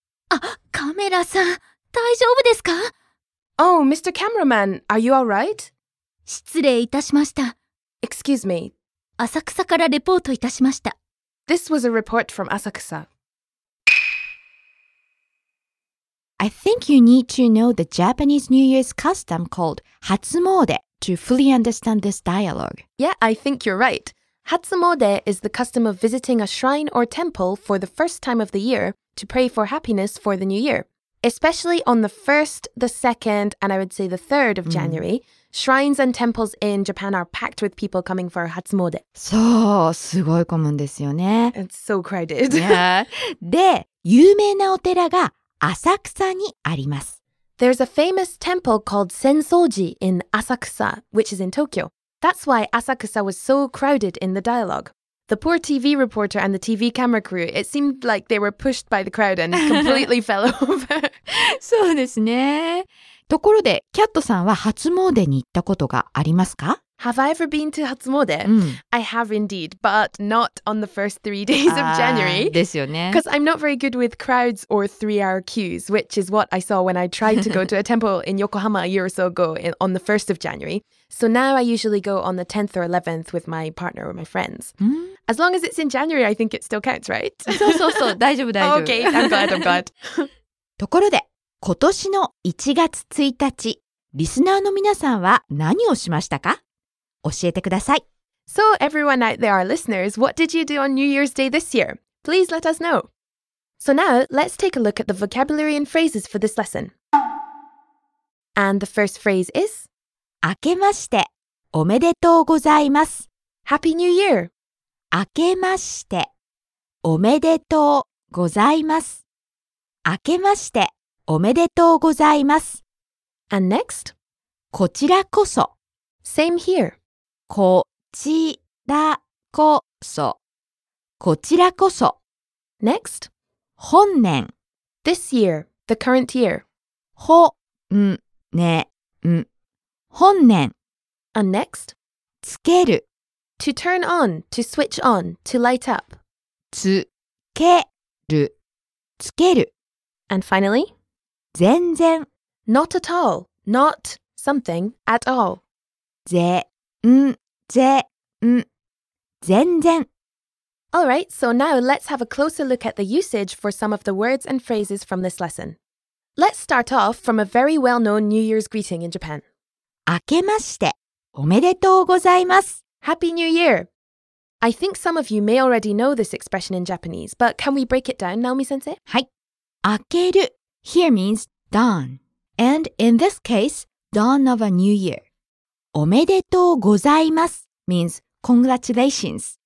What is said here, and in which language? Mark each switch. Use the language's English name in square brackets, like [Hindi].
[Japanese] あ、カメラさん、大丈夫ですか？ [English] Oh, Mr. Cameraman, are you all right? [Japanese] 失礼いたしました。 [English] Excuse me. [Japanese] 浅草からレポートいたしました。 [English] This was a report from Asakusa. I think you need to know the Japanese New Year's custom called Hatsumode to fully understand this dialogue. Yeah, I think you're right. Hatsumode is the custom of visiting a shrine or temple for the first time of the year to pray for happiness for the new year. Especially on the 1st, the 2nd, and I would say the 3rd of January,、shrines and temples in Japan are packed with people coming for Hatsumode. [Japanese] そう、すごい混むんですよね。 [English] It's so crowded. Yeah. [Japanese] で、有名なお寺が浅草にあります。 [English] There's a famous temple called Sensoji in Asakusa, which is in Tokyo. That's why Asakusa was so crowded in the dialogue. The poor TV reporter and the TV camera crew, it seemed like they were pushed by the crowd and completely fell over. [Japanese] そうですね。ところで、キャットさんは初詣に行ったことがありますか？ [English] Have I ever been to 初詣？ I have indeed, but not on the first three days of January. [Japanese] ですよね。 [English] Because I'm not very good with crowds or three-hour queues, which is what I saw when I tried to go to a temple in Yokohama a year or so ago on the 1st of January. So now I usually go on the 10th or 11th with my partner or my friends. As long as it's in January, I think it still counts, right? [Japanese] そうそうそう、大丈夫大丈夫。 [English] Okay, I'm glad, I'm glad. [Japanese] ところで、今年の1月1日、リスナーの皆さんは何をしましたか？教えてください。 [English] So everyone out there, our listeners, what did you do on New Year's Day this year? Please let us know. So now, let's take a look at the vocabulary and phrases for this lesson. And the first phrase is... [Japanese] 明けまして、おめでとうございます。 [English] Happy New Year! [Japanese] 明けまして、おめでとうございます。明けまして、おめでとうございます。 [English] And next? [Japanese] こちらこそ。 [English] Same here. [Japanese] こちらこそ。こちらこそ。 [English] Next? [Japanese] 本年。 [English] This year, the current year. [Japanese] ほ、ん、ね、ん。本年。 [English] And next? [Japanese] つける。 [English] To turn on, to switch on, to light up. [Japanese] つける、つける。 [English] And finally? [Japanese] 全然。 [English] Not at all. Not something at all. [Japanese] 全然。全然。 [English] Alright, so now let's have a closer look at the usage for some of the words and phrases from this lesson. Let's start off from a very well-known New Year's greeting in Japan. [Japanese] 明けまして、おめでとうございます。 [English] Happy New Year! I think some of you may already know this expression in Japanese, but can we break it down, Naomi-sensei? [Japanese] はい。明ける。 [English] Here means dawn, and in this case, dawn of a new year. おめでとうございます means congratulations.